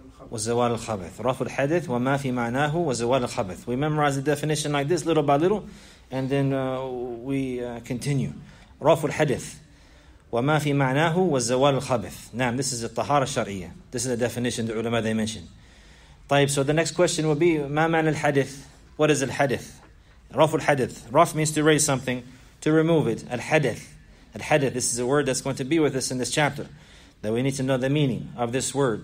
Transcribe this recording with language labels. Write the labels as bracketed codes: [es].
[ar] وزوال الخبث رفع الحدث وما في معناه وزوال الخبث. [en] We memorize the definition like this little by little, and then we continue. [ar] رفع الحدث وما في معناه وزوال الخبث. نعم, [en] this is the [ar] طهارة الشرعية. [en] This is the definition the ulama they mention. [ar] طيب, [en] so the next question will be, [ar] ما معنى الحدث? [en] What is [ar] الحدث? رفع الحدث. [en] رفع means to raise something, to remove it. [ar] الحدث. [en] Al-hadith, this is a word that's going to be with us in this chapter, that we need to know the meaning of this word.